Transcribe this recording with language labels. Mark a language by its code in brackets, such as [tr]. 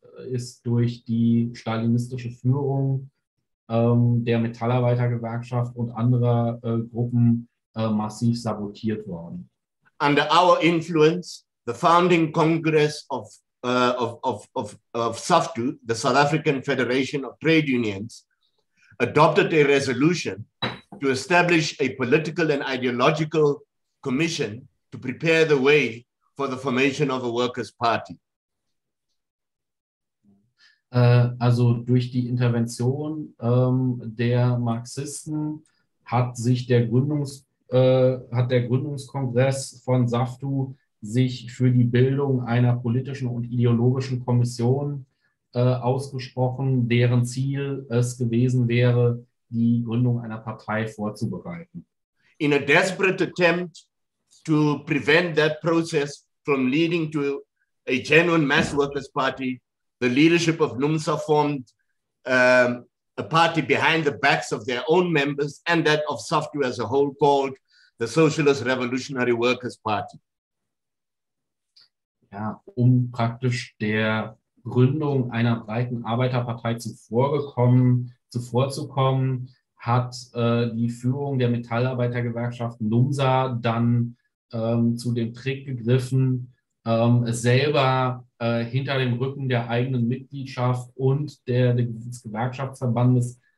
[de] Ist durch die stalinistische Führung der Metallarbeitergewerkschaft und anderer Gruppen massiv sabotiert worden. [en] Under our influence, the founding congress of SAFTU, the South African Federation of Trade Unions, adopted a resolution to establish a political and ideological commission to prepare the way for the formation of a workers' party. [de] Also durch die Intervention der Marxisten hat sich hat der Gründungskongress von SAFTU sich für die Bildung einer politischen und ideologischen Kommission ausgesprochen, deren Ziel es gewesen wäre, die Gründung einer Partei vorzubereiten. [en] In a desperate attempt to prevent that process from leading to a genuine mass workers party, the leadership of NUMSA formed a party behind the backs of their own members and that of SAFTU as a whole called the Socialist Revolutionary Workers Party. [de] Ja, um praktisch der Gründung einer breiten Arbeiterpartei zuvorzukommen, hat die Führung der Metallarbeitergewerkschaft NUMSA dann zu dem Trick gegriffen, selber hinter dem Rücken der eigenen Mitgliedschaft und des Gewerkschaftsverbandes